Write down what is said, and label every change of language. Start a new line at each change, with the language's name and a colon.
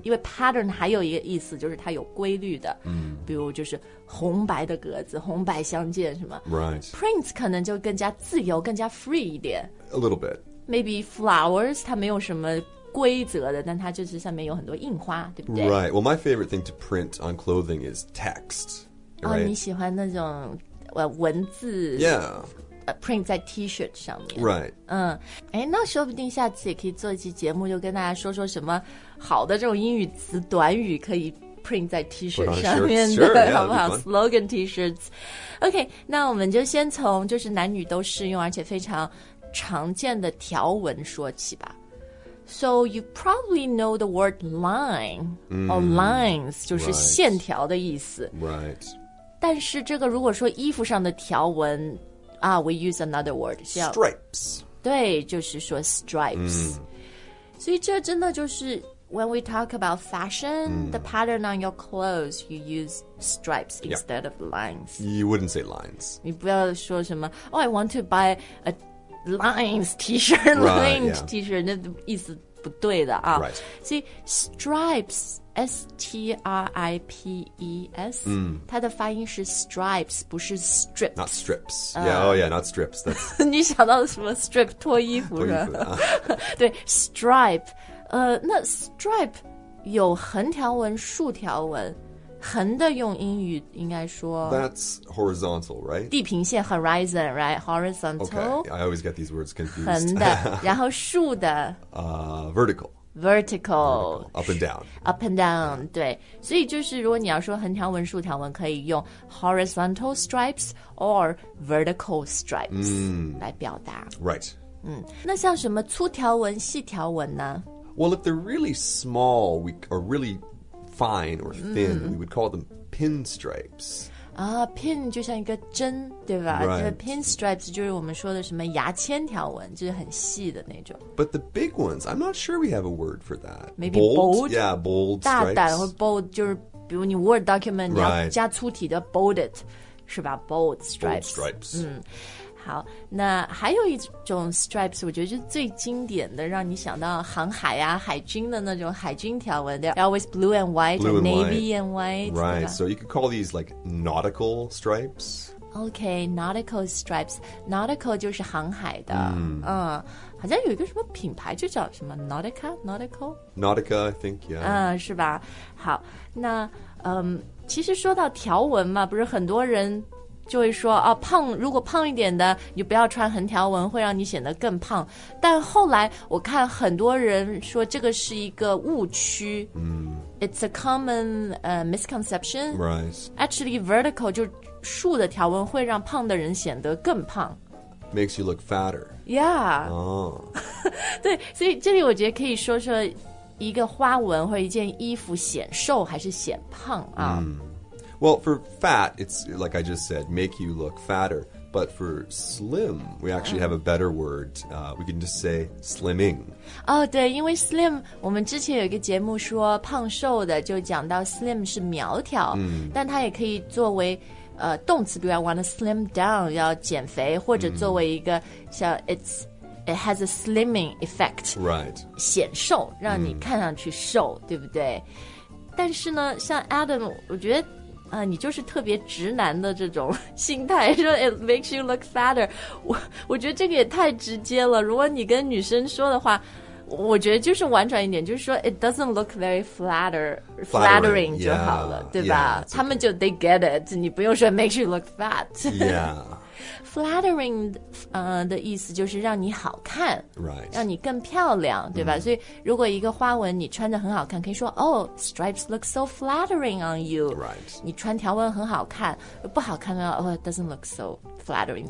Chinese: 因为 pattern 还有一个意思就是它有规律的、比如就是红白的格子，红白相间什么。
English: Right.
Chinese: Prints 可能就更加自由，更加 free 一点。
English: A little bit. Maybe flowers,
Chinese: 它没有什么规则的，但它就是上面有很多印花，对不对？
English: Right. Well, my favorite thing to print on clothing is text.
Chinese: Right? 哦，你喜欢那种文字。
English: Yeah.
Chinese: Print 在 T-shirt 上面
English: Right
Chinese: 哎，那说不定下次也可以做一期节目，就跟大家说说什么好的这种英语词短语可以 print 在 T-shirt 上面的
English: sure, yeah,
Chinese: 好不好
English: Slogan T-shirts OK
Chinese: 那我们就先从就是男女都适用而且非常常见的条纹说起吧
English: So you probably know the word line or lines
Chinese: 就是线条的意思
English: Right
Chinese: 但是这个如果说衣服上的条纹
English: we use another word. Stripes.
Chinese: 对，就是说 stripes. 所以这真的就是
English: when we talk about fashion,the pattern on your clothes, you use stripes instead of lines. You wouldn't say lines.
Chinese: 你不要说什么
English: I want to buy a lines t-shirt, right, lined、 yeah.
Chinese: t-shirt, 那意思不对的啊。
English: Right.
Chinese: 所以 stripes,S-T-R-I-P-E-S,它的发音是 stripes, 不是 strips.
English: Not strips. Yeah, oh yeah, not strips.
Chinese: 你想到什么 strip, 脱衣服的。对, stripe. 那 stripe 有横条纹、竖条纹。横的用英语应该说
English: That's horizontal, right?
Chinese: 地平线 horizon, right?
English: Horizontal. Okay, I always get these words confused.
Chinese: 横的,然后竖的。
English: Vertical. Vertical, up and down. Up and down, 对。
Chinese: 所以就是如果你要说横条纹、竖条纹可以用 horizontal stripes or vertical stripes 来表达。
English: Right.
Chinese: 那像什么粗条纹、细条纹呢?
English: Well, if they're really small or really fine or thin, we would call them pinstripes.
Chinese: Pin 就像一个针对吧、
English: right.
Chinese: Pinstripes 就是我们说的什么牙签条纹就是很细的那种
English: But the big ones I'm not sure we have a word for that Maybe bold Yeah, bold
Chinese: 大胆
English: stripes
Chinese: 或 bold 就是比如你 word document、
English: right.
Chinese: 你要加粗体的 bold it 是吧 bold stripes,
English: bold stripes.
Chinese: 好那还有一种 stripes 我觉得就是最经典的让你想到航海啊海军的那种海军条纹
English: They're always blue and white blue and navy white. and white Right, so you could call these like nautical stripes Okay, nautical stripes
Chinese: Nautical 就是航海的、好像有一个什么品牌就叫什么 Nautica, Nautical?
English: Nautica, I think, yeah
Chinese: 是吧好那其实说到条纹嘛不是很多人就会说、啊、胖如果胖一点的你不要穿横条纹会让你显得更胖但后来我看很多人说这个是一个误区、
English: It's a common misconception、 right.
Chinese: Actually vertical 就竖的条纹会让胖的人显得更胖
English: Makes you look fatter
Chinese: Yeah、对所以这里我觉得可以说说一个花纹或一件衣服显瘦还是显胖啊、
English: Well, for fat, it's like I just said, make you look fatter. But for slim, we actually have a better word. We can just say slimming.
Chinese: 哦、oh, 对因为 slim, 我们之前有一个节目说胖瘦的就讲到 slim 是苗条、mm. 但它也可以作为、动词比如
English: I want to slim down,
Chinese: 要减肥或者作为一个、mm.
English: 像 it has a slimming effect. Right.
Chinese: 显瘦让你看上去瘦、mm. 对不对但是呢像 Adam, 我觉得啊、你就是特别直男的这种心态说
English: it makes you look fatter
Chinese: 我觉得这个也太直接了如果你跟女生说的话我觉得就是婉转一点就是说
English: it doesn't look very flattering
Chinese: 就好了
English: yeah,
Chinese: 对吧
English: yeah, okay.
Chinese: 他们就
English: they get it
Chinese: 你不用说
English: makes you look fat yeah
Chinese: flattering、的意思就是让你好看、
English: right.
Chinese: 让你更漂亮对吧、mm. 所以如果一个花纹你穿得很好看可以说
English: oh stripes look so flattering on you、 right.
Chinese: 你穿条纹很好看不好看的话
English: oh it doesn't look so flattering